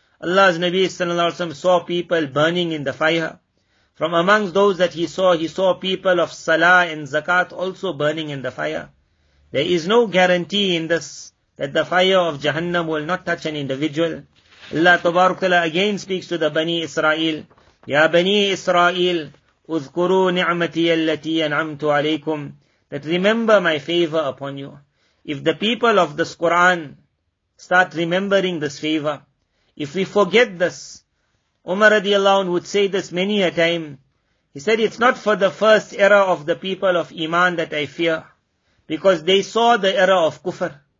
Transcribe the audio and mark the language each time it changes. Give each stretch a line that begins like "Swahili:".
English: Allah's Nabi sallallahu alayhi wa sallam saw people burning in the fire. From amongst those that he saw people of Salah and Zakat also burning in the fire. There is no guarantee in this that the fire of Jahannam will not touch an individual. Allah Tabarakala again speaks to the Bani Israel.
Arabic: Ya Bani Israel, اذكروا نعمتي التي أنعمت عليكم.
English: That remember my favor upon you. If the people of this Quran start remembering this favor, if we forget this, Umar radiallahu anhu would say this many a time. He said, it's not for the first era of the people of Iman that I fear, because they saw the era of Kufr.